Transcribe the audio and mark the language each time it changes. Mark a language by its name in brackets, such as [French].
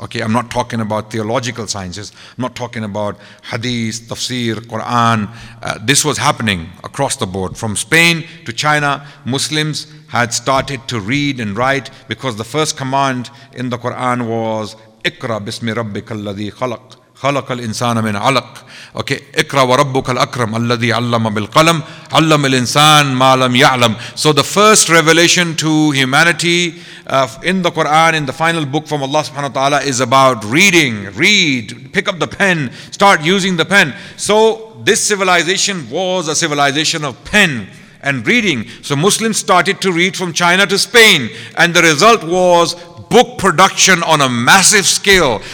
[English] Okay, I'm not talking about theological sciences. I'm not talking about hadith, tafsir, Quran. This was happening across the board. From Spain to China, Muslims had started to read and write because the first command in the Quran was [Arabic] Iqra bismi rabbika alladhi khalaq. خلق الإنسان من علق. Okay. اقرأ وربك الأكرم الذي علم بالقلم علم الإنسان ما لم يعلم. [English] So the first revelation to humanity in the Quran, in the final book from Allah subhanahu wa ta'ala, is about reading. Read. Pick up the pen. Start using the pen. So this civilization was a civilization of pen and reading. So Muslims started to read from China to Spain, and the result was book production on a massive scale.